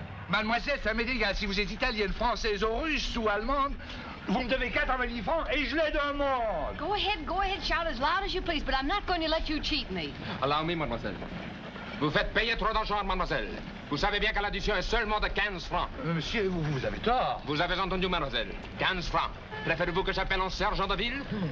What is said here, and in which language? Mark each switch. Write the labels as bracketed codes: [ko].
[fr] Mademoiselle, ça m'est égal si vous êtes italienne, française ou russe ou allemande. Vous me devez 90 francs et je l'ai demandé. [en] Go ahead, shout as loud as you please, but I'm not going to let you cheat me. Allow me, [fr] mademoiselle. Vous faites payer trop d'argent, mademoiselle. Vous savez bien que l'addition est seulement de 15 francs. Monsieur, vous avez tort. Vous avez entendu, mademoiselle. 15 francs. Préférez-vous que j'appelle un sergent de ville?